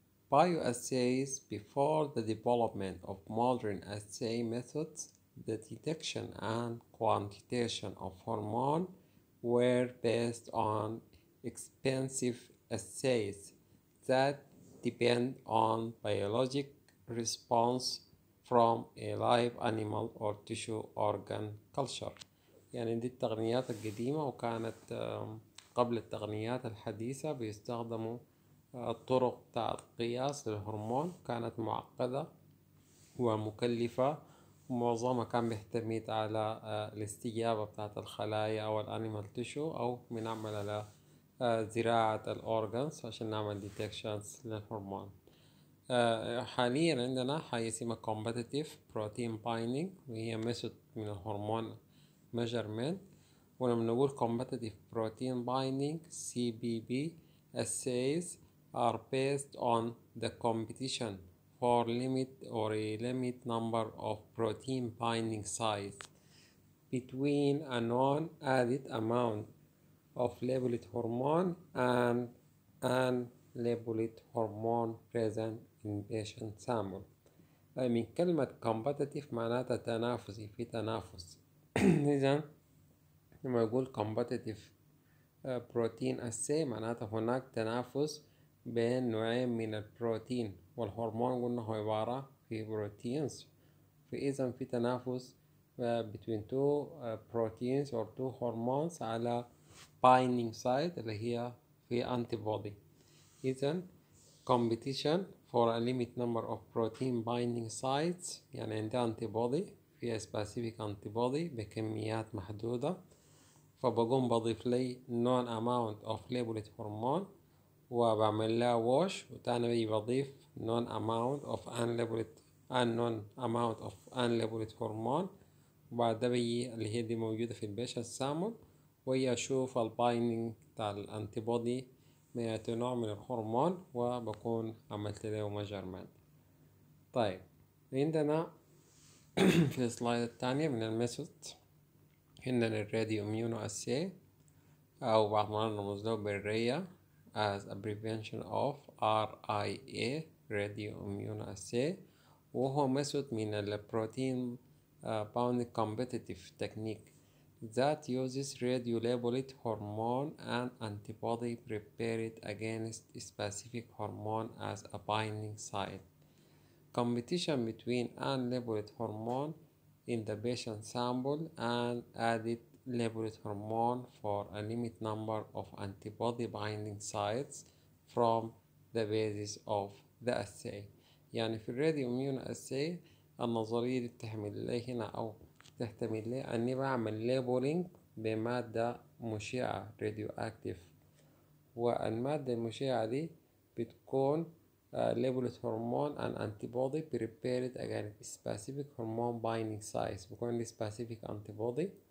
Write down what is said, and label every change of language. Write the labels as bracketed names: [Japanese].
[English] Bioassays, before the development of modern assay methods, the detection and quantitation of hormone were based on expensive assays that depend on biologic response from a live animal or tissue organ culture. [Arabic] يعني دي التقنيات القديمة وكانت قبل التقنيات الحديثة بيستخدموا الطرق تاع القياس للهرمون كانت معقدة ومكلفة. معظمها كان بيعتمد على الاستجابة بتاعت الخلايا أو الانيمال تيشو أو بنعمل على زراعة الأورغانز عشان نعمل ديتكشنز للهرمون. حاليا عندنا حاجة اسمها كومبتيتيف بروتين بايندينج وهي ميثود من الهرمون ميجرمنت. ولما نقول [English] Competitive protein binding C P B assays are based on the competition for limit or a limit number of protein binding sites between a known added amount of labeled hormone and an labeled hormone present in patient sample. I mean, [Arabic] كلمة competitive معناتها تنافسي, في تنافس. إذا لما أقول competitive protein assay معناتها هناك تنافس بين نوعين من البروتين والهرمون. قلنا هو عبارة في proteins, فإذا في تنافس [English] between two proteins or two hormones [Arabic] على binding site اللي هي في antibody. إذا [English] competition for a limit number of protein binding sites [Arabic] يعني عند antibody في [English] a specific antibody [Arabic] بكميات محدودة, فبقوم بضيف لي [English] known amount of labeled hormone [Arabic] وبعمل لها wash, وتاني بيجي بضيف [English] known amount of unlabeled unknown amount of unlabeled hormone, [Arabic] وبعدها بيجي اللي هي دي موجودة في البيشنت سامبل وهي أشوف ال binding بتاع الانتيبودي من أي نوع من الهرمون وبكون عملت له measurement. طيب عندنا في السلايد الثانية من الميثود عندنا الراديو اميونو اسي او بعض ما نرمز له بالرية [English] as a prevention of RIA radio immunoassay, [Arabic] وهو [English] method من the protein bound competitive technique that uses radio labeled hormone and antibody prepared against specific hormone as a binding site. Competition between unlabeled hormone in the patient sample and added labeled hormone for a limited number of antibody binding sites from the basis of the assay. [Arabic] يعني في الراديو اميون اسي النظرية اللي بتحمل لي هنا او تحتمل لي اني بعمل labeling بمادة مشعة راديو اكتف, والمادة المشعة دي بتكون [English] labeled hormone and antibody prepared against specific hormone binding sites, [Arabic] بكون [English] specific antibody.